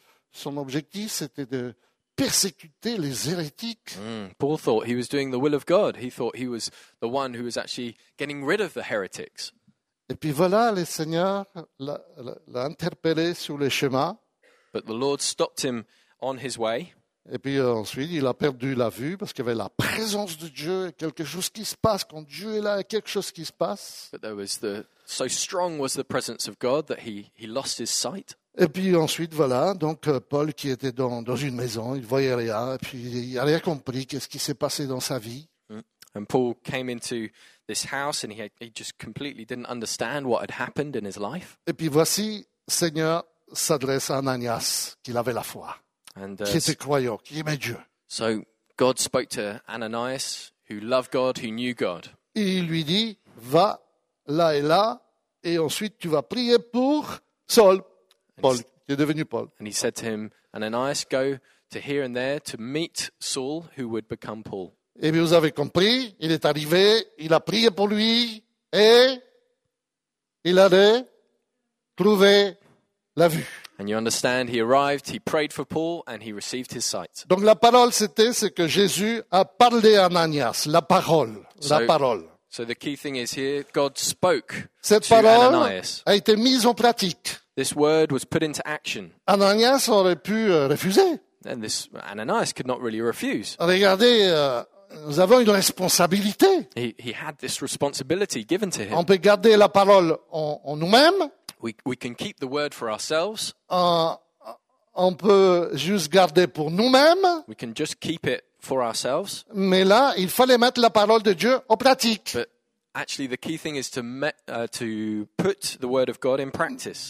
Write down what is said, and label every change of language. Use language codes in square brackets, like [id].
[fr] Son objectif, c'était de persécuter les hérétiques. [en] Paul thought he was doing the will of God. He thought he was the one who was actually getting rid of the heretics. [fr] Et puis voilà, le Seigneur l'a interpellé sur le chemin. [en] But the Lord stopped him on his way. [fr] Et puis ensuite, il a perdu la vue parce qu'il y avait la présence de Dieu et quelque chose qui se passe. Quand Dieu est là, il y a quelque chose qui se passe. [en] But there was so strong was the presence of God that he lost his sight. [fr] Et puis ensuite, voilà, donc Paul qui était dans une maison, il ne voyait rien. Et puis il n'a rien compris qu'est-ce qui s'est passé dans sa vie. [en] And Paul came into this house and he just completely didn't understand what had happened in his life. [fr] Et puis voici, Seigneur s'adresse à Ananias, qu'il avait la foi. Qui était croyant, qui aimait Dieu. [en] So God spoke to Ananias, who loved God, who knew God. [fr] Et il lui dit, va là et là, et ensuite tu vas prier pour Saul. Paul, qui est devenu Paul. [en] And he said to him, Ananias, go to here and there to meet Saul, who would become Paul. [fr] Et bien vous avez compris, il est arrivé, il a prié pour lui, et il allait trouver la vue. [en] And you understand, he arrived, he prayed for Paul, and he received his sight. [fr] Donc la parole c'était, c'est que Jésus a parlé à Ananias, la parole, so, la parole. [en] So the key thing is here, God spoke [fr] Cette [en] to Ananias. [fr] Cette parole a été mise en pratique. [en] This word was put into action. [fr] Ananias aurait pu refuser. [en] And this Ananias could not really refuse. [fr] Regardez, nous avons une responsabilité. [en] He had this responsibility given to him. [fr] On peut garder la parole en nous-mêmes. [en] We can keep the word for ourselves. [fr] On peut juste garder pour nous-mêmes. [en] We can just keep it for ourselves. [fr] Mais là, il fallait mettre la parole de Dieu en pratique. [en] But actually, the key thing is to put the word of God in practice.